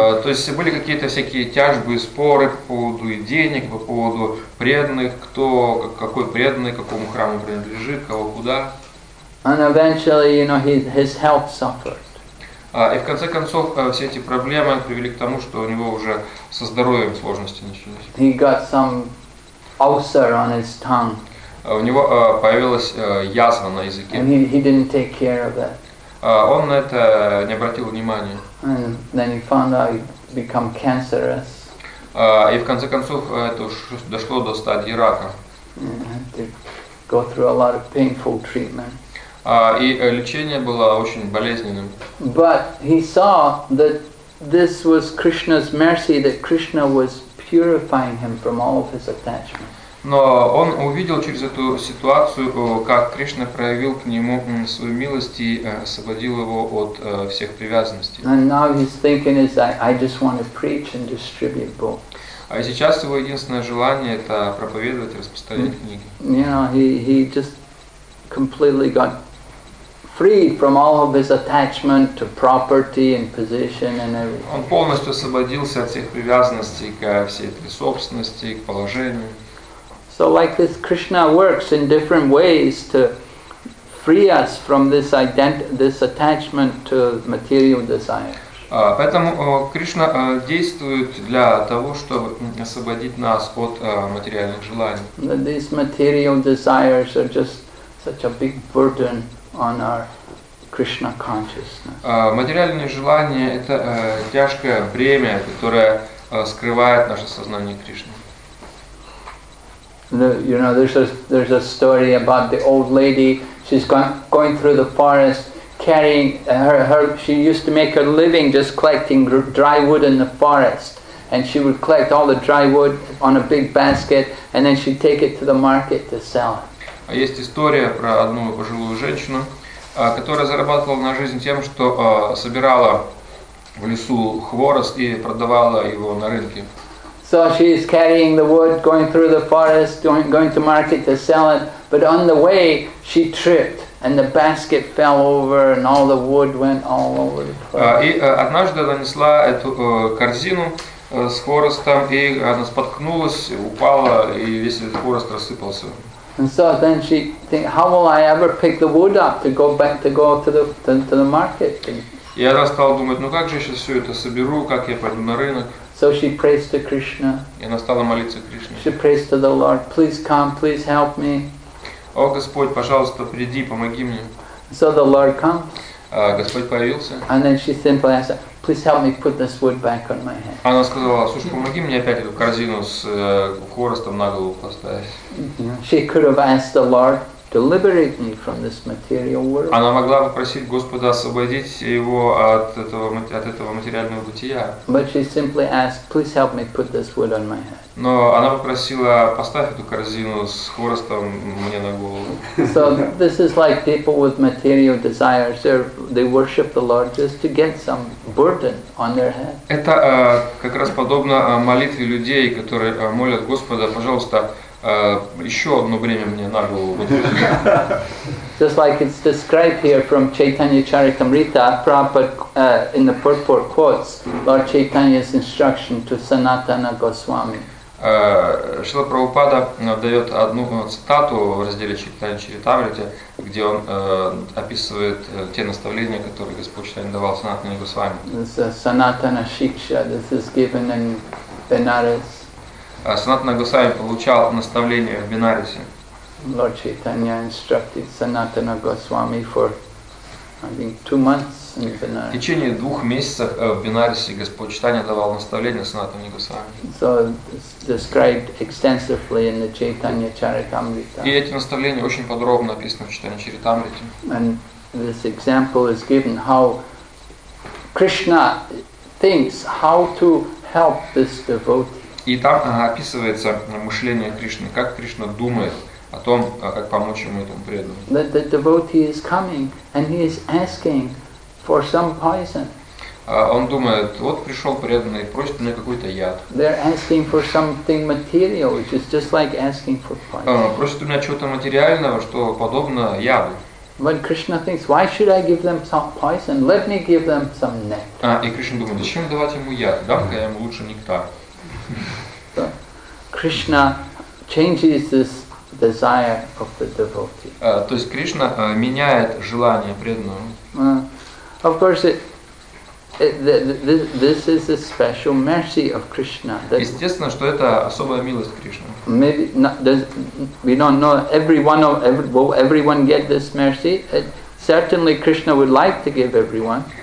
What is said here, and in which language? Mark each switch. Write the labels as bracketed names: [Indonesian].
[Russian] То есть были какие-то всякие тяжбы, споры по поводу и денег, по поводу преданных, кто какой преданный, какому храму принадлежит, кого куда. [English] And eventually, you know, his health suffered. [Russian] И в конце концов все эти проблемы привели к тому, что у него уже со здоровьем сложности начались. [English] He got some ulcer on his tongue. [Russian] У него появилась язва на языке. [English] And he didn't take care of that. [Russian] Он на это не обратил внимания. [English] And then he found out he'd become cancerous. [Russian] И в конце концов это дошло до стадии рака. [English] And he go through a lot of painful treatment. [Russian] И лечение было очень болезненным. [English] But he saw that this was Krishna's mercy, that Krishna was purifying him from all of his attachments. [Russian] Но он увидел через эту ситуацию, как Кришна проявил к нему свою милость и освободил его от всех привязанностей. [English] And now his thinking is, I just want to preach and distribute books. [Russian] А сейчас его единственное желание — это проповедовать и распространять книги. [English] You know, he just completely got free from all of his attachment to property and position and everything. [Russian] Он полностью освободился от всех привязанностей ко всей этой собственности, к положению. [English] So like this, Krishna works in different ways to free us from this attachment to material desire. [Russian] Поэтому Кришна действует для того, чтобы освободить нас от материальных желаний. [English] That these material desires are just such a big burden on our Krishna consciousness. [Russian] Материальные желания — это тяжкое бремя, которое скрывает наше сознание Кришны. [English] You know, there's a story about the old lady. She's going through the forest, carrying her. She used to make her living just collecting dry wood in the forest, and she would collect all the dry wood on a big basket, and then she'd take it to the market to sell. [Russian] А есть история про одну пожилую женщину, которая зарабатывала на жизнь тем, что собирала в лесу хворост и продавала его на рынке. [English] So she is carrying the wood, going through the forest, going to market to sell it. But on the way, she tripped, and the basket fell over, and all the wood went all over the place. [Russian] И однажды она несла эту корзину с хворостом, и она споткнулась, упала, и весь этот хворост рассыпался. [English] And so then she think, how will I ever pick the wood up to go back to go to the market? [Russian] И она стала думать, ну как же я сейчас все это соберу, как я пойду на рынок? [English] So she prays to Krishna. [Russian] И она стала молиться Кришне. [English] She prays to the Lord, please come, please help me. [Russian] О Господь, пожалуйста, приди, помоги мне. [English] So the Lord comes. [Russian] Господь появился. [English] And then she simply asked, please help me put this wood back on my head. [Russian] Она сказала, слушай, помоги мне опять эту корзину с хворостом на голову поставить. [English] She could have asked the Lord to liberate me from this material world. [Russian] Она могла попросить Господа освободить его от этого материального бытия. [English] But she simply asked, please help me put this wood on my head. [Russian] Но она попросила, поставь эту корзину с хворостом мне на голову. [English] So this is like people with material desires. They worship the Lord just to get some burden on their head. [Russian] Это как раз подобно молитве людей, которые молят Господа, пожалуйста, еще одно время мне на голову. [English] Just like it's described here from Chaitanya Charitamrita, Prabhupada in the purport quotes Lord Chaitanya's instruction to Sanatana Goswami. [Russian] Шрила Прабхупада дает одну цитату в разделе Чайтанья Чаритамрита, где он описывает те наставления, которые Господь Чайтанья давал Санатане Госвами. [English] This is Sanatana Shiksha. This is given in Benares. [Russian] Санатана Госвами получал наставление в Бенарисе. [English] Lord Chaitanya instructed Sanatana Goswami for, I think, 2 months in Benares. [Russian] В течение 2 месяцев в Бенарисе Господь Чайтанья давал наставление Санатане Госвами. [English] So described extensively in the Chaitanya Charitamrita. [Russian] И эти наставления очень подробно описаны в Чайтанья Чаритамрите. [English] And this example is given how Krishna thinks how to help this devotee. [Russian] И там описывается мышление Кришны, как Кришна думает о том, как помочь ему этому преданному. [English] That the devotee is coming and he is asking for some poison. [Russian] Он думает, вот пришел преданный, просит мне какой-то яд. [English] They're asking for something material, which is just like asking for poison. [Russian] Просит у меня чего-то материального, что подобно яду. [English] When Krishna thinks, why should I give them some poison? Let me give them some nectar. [Russian] И Кришна думает, зачем давать ему яд? Дам-ка я ему лучше нектар. [English] So, Krishna changes this desire of the devotee. [Russian] То есть Кришна меняет желание преданного. [English] Of course, this is a special mercy of Krishna. [Russian] Естественно, что это особая милость Кришны. [English] Maybe we don't know everyone get this mercy. Certainly, Krishna would like to give everyone.